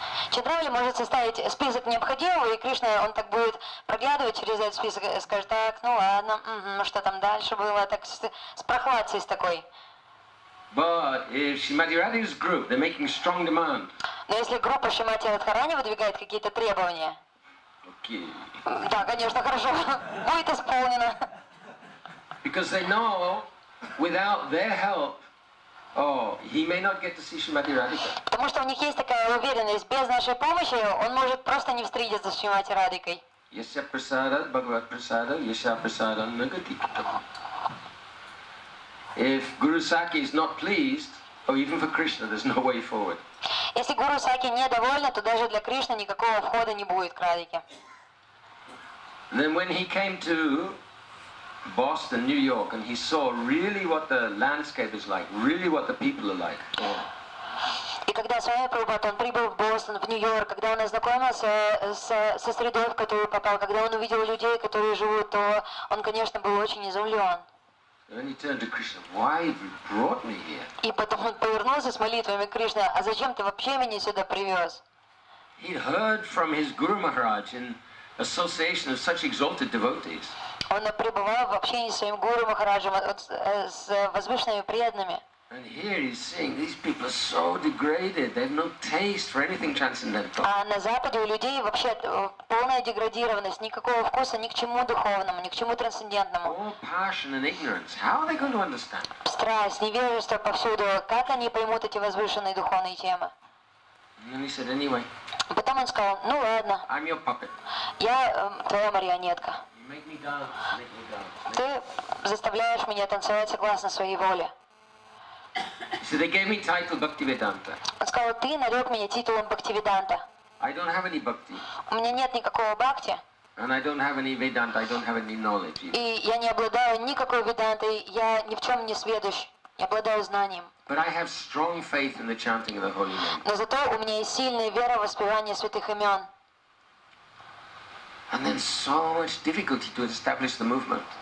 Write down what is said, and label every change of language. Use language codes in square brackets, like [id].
[ru] Chandravali может составить список необходимого, и Кришна, он так будет проглядывать через этот список и скажет, так, ну ладно, что там дальше было, так с прохладцей с такой. [en] But if Shrimati Radhika's group, they're making strong demand. [ru] Но если группа Шримати Радхарани выдвигает какие-то требования, [en] okay. [ru] Да, конечно, хорошо, будет исполнено. [en] Because they know, without their help, he may not get to see Shrimati Radhika. [ru] Потому что у них есть такая уверенность, без нашей помощи он может просто не встретиться с Шримати Радикой. [sa] Yasya prasada, Bhagavat prasada, yasya prasada, nagati kutam. [en] If Guru Sakya is not pleased, even for Krishna, there's no way forward. [ru] Если Гуру Сакья недовольна, то даже для Кришны никакого входа не будет к Радике. [en] Then when he came to Boston, New York, and he saw really what the landscape is like, really what the people are like. [ru] И когда Свами Прабхупад, он прибыл в Бостон, в Нью-Йорк, когда он ознакомился со средой, в которую попал, когда он увидел людей, которые живут, то он, конечно, был очень изумлен. [en] Then he turned to Krishna, why have you brought me here? [ru] И потом он повернулся с молитвами к Кришне, а зачем ты вообще меня сюда привез? [en] He heard from his Guru Maharaj in association of such exalted devotees. [ru] Он пребывал в общении с своим Гуру Махараджем, с возвышенными преданными. [en] And here he's saying these people are so degraded, they have no taste for anything transcendental. [ru] А на Западе у людей вообще полная деградированность, никакого вкуса ни к чему духовному, ни к чему трансцендентному. [en] All passion and ignorance. How are they going to understand? [ru] Страсть, невежество повсюду. Как они поймут эти возвышенные духовные темы? [en] And he said, anyway. [ru] Потом он сказал, ну ладно. [en] I'm your puppet. [ru] Я твоя марионетка. [en] You make me dance, make me dance. [ru] Ты заставляешь меня танцевать согласно своей воле. [en] So they gave me title Bhaktivedanta. [ru] Он сказал, ты нарек меня титулом Бхактивиданта. [en] I don't have any bhakti. [ru] У меня нет никакого бхакти. [en] And I don't have any Vedanta, I don't have any knowledge. [ru] И я не обладаю никакой Ведантой, я ни в чем не сведущ, я обладаю знанием. [en] But I have strong faith in the chanting of the holy name. [ru] Но зато у меня есть сильная вера в воспевание святых имен. [en] And then so much difficulty to establish the movement.